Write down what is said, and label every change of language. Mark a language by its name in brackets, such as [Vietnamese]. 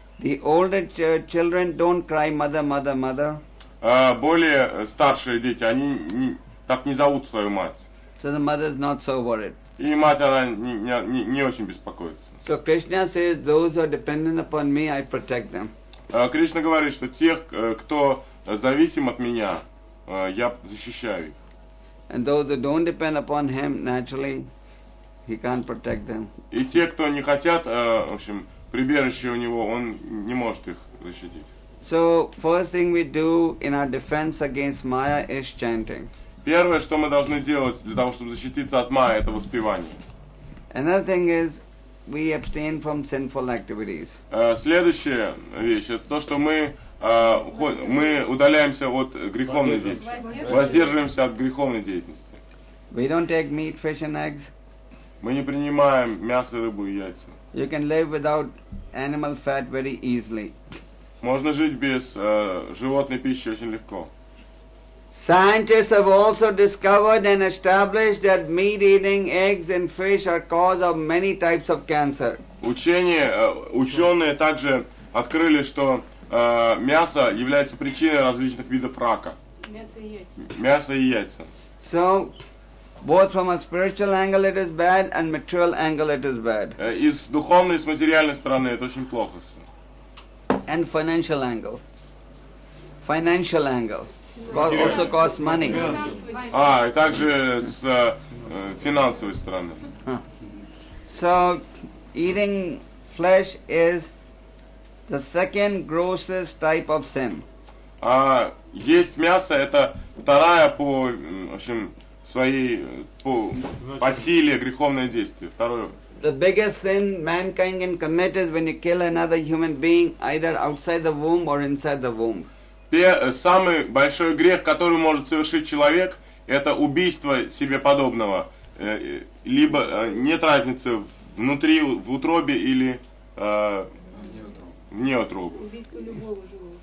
[English] The older children don't cry mother, mother, mother. [Russian] Более старшие дети, они так не зовут свою мать. [English] So the mother is not so worried. [Russian] И мать, она не очень беспокоится. [English] So Krishna says, those who are dependent upon me, I protect them. [Russian] Кришна говорит, что тех, кто зависим от меня, я защищаю их. [English] And those who don't depend upon him, naturally, he can't protect them. [Russian] И те, кто не хотят, в общем, прибежище у него, он не может их защитить. [English] So first thing we do in our defense against Maya is chanting. [Russian] Первое, что мы должны делать для того, чтобы защититься от Майи, это воспевание. [English] Another thing is we abstain from sinful activities. [Russian] Следующая вещь это то, что мы удаляемся от греховной деятельности. Воздерживаемся от греховной деятельности. [English] We don't take meat, fish and eggs. [Russian] Мы не принимаем мясо, рыбу и яйца. [English] You can live without animal fat very easily. [Russian] Можно жить без животной пищи очень легко. [English] Scientists have also discovered and established that meat eating, eggs and fish are cause of many types of cancer. [Russian] Ученые также открыли, что мясо является причиной различных видов рака. Мясо и яйца. [English] So, both from a spiritual angle it is bad and material angle it is bad. [Russian] Из духовной и с материальной стороны это очень плохо. [English] And financial angle. Financial angle. Also costs money. [Russian] И также с финансовой стороны. [English] So, eating flesh is the second grossest type of sin. [Russian] Есть мясо, это вторая по, в общем, своей, по силе греховное действие. Второе. [English] The biggest sin mankind can commit is when you kill another human being, either outside the womb or inside the womb. [Russian] Самый большой грех, который может совершить человек, это убийство себе подобного. Либо нет разницы внутри, в утробе или вне утробы. Убийство любого живого